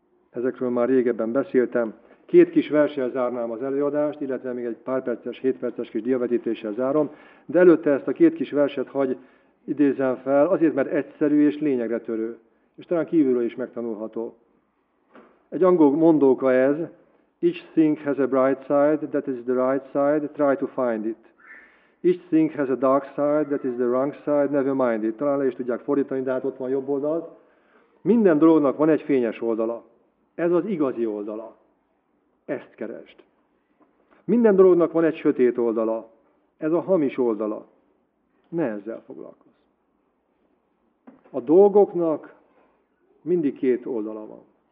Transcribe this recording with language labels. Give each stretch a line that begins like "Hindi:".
Hungarian: Ezekről már régebben beszéltem. Két kis verssel zárnám az előadást, illetve még egy pár perces, hét perces kis diavetítéssel zárom. De előtte ezt a két kis verset hagy idézzem fel, azért, mert egyszerű és lényegre törő. És talán kívülről is megtanulható. Egy angol mondóka ez,
English: each thing has a bright side, that is the right side, try to find it. Each thing has a dark side, that is the wrong side, never mind it.
Hungarian: Talán le is tudják fordítani, de hát ott van jobb oldalt. Minden dolognak van egy fényes oldala. Ez az igazi oldala. Ezt keresd. Minden dolognak van egy sötét oldala. Ez a hamis oldala. Ne ezzel foglalkozz. A dolgoknak mindig két oldala van.